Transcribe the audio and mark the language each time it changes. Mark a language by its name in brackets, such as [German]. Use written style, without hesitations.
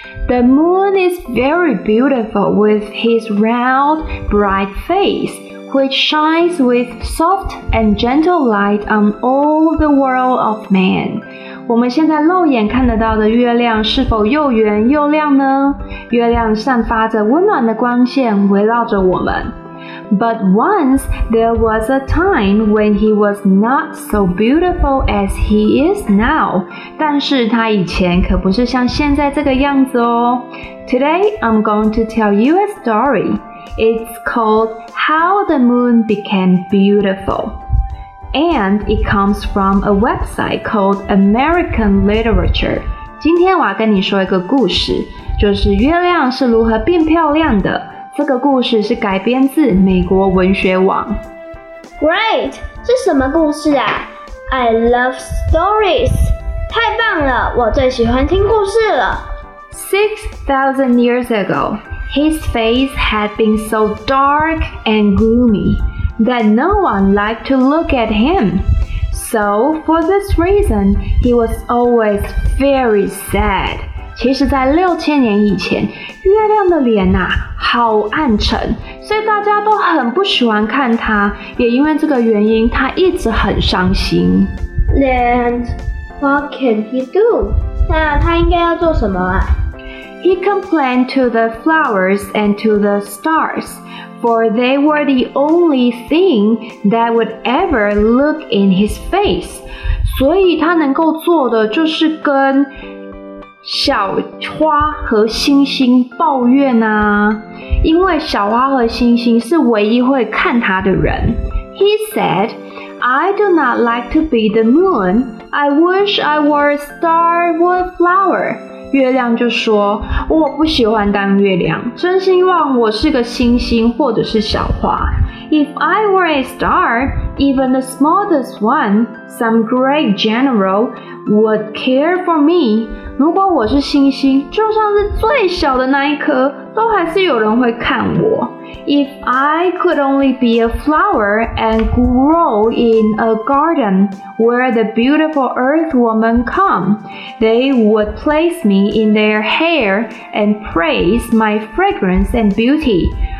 [English] The moon is very beautiful with his round, bright face, which shines with soft and gentle light on all the world of man. [Chinese] 我们现在肉眼看得到的月亮是否又圆又亮呢？月亮散发着温暖的光线围绕着我们。 [English] But once there was a time when he was not so beautiful as he is now. [Chinese] 但是他以前可不是像现在这个样子哦。 [English] Today, I'm going to tell you a story. It's called How the Moon Became Beautiful. And it comes from a website called American Literature. [Chinese] 今天我要跟你说一个故事，就是月亮是如何变漂亮的。这个故事是改编自美国文学网。 [English] Great! [Chinese] 是什么故事啊？ [English] I love stories! [Chinese] 太棒了，我最喜欢听故事了。 [English] 6,000 years ago, his face had been so dark and gloomy that no one liked to look at him. So, for this reason, he was always very sad. [Chinese] 其实在6000年以前，月亮的脸啊，好暗沉，所以大家都很不喜欢看它，也因为这个原因，他一直很伤心。 [English] Then, what can he do? [Chinese] 那他应该要做什么啊？ [English] He complained to the flowers and to the stars, for they were the only thing that would ever look in his face. [Chinese] 所以他能够做的就是跟小花和星星抱怨啊，因为小花和星星是唯一会看他的人。 [English] He said, I do not like to be the moon. I wish I were a star or flower. [Chinese] 月亮就说，我不喜欢当月亮，真希望我是个星星或者是小花。 [English] If I were a star, even the smallest one, some great general would care for me. [Chinese] 如果我是星星，就算是最小的那一颗，都还是有人会看我。 [English] If I could only be a flower and grow in a garden where the beautiful earth women come, they would place me in their hair and praise my fragrance and beauty.